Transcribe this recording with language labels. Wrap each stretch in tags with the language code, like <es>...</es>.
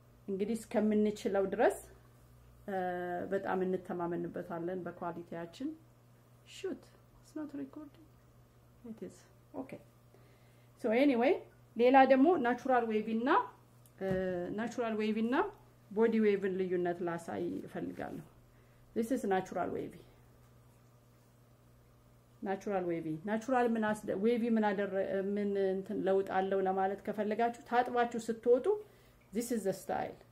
<am>እንግዲህ እስከምንችለው ድረስ በጣም እንተማመንበታለን በኳሊቲያችን.</am> <en>Shoot. It's not recording. It is. Okay. So anyway,</en> <am>ሌላ ደግሞ</am> <en>natural wave እና natural wave እና body wave</en> <am>ልዩነት ላሳይ ፈልጋለሁ.</am> <en>This is natural wave. Natural wavy.</en> <am>Natural ምናስ wavy ምን አደረ ምን እንትን ለውጥ አለው ለማለት ከፈለጋችሁ ታጥባችሁ ስትወጡ</am> <en>this is the style.</en>